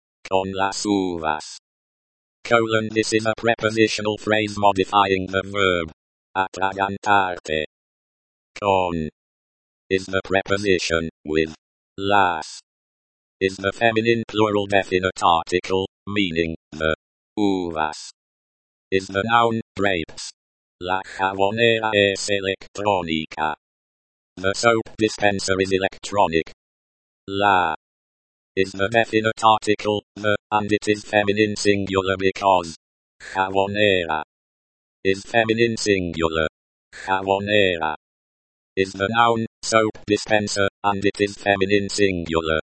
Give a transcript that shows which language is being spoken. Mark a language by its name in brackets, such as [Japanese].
[Spanish] Con las uvas. [English] Colon, this is a prepositional phrase modifying the verb. [Spanish] Atragantarte. Con. [English] Is the preposition, with. Las. Is the feminine plural definite article, meaning, the. Uvas. Is the noun, grapes. [Spanish] La jabonera es electrónica. [English] The soap dispenser is electronic. La. Is the definite article, the, and it is feminine singular because jabonera is feminine singular. Jabonera is the noun, soap dispenser, and it is feminine singular.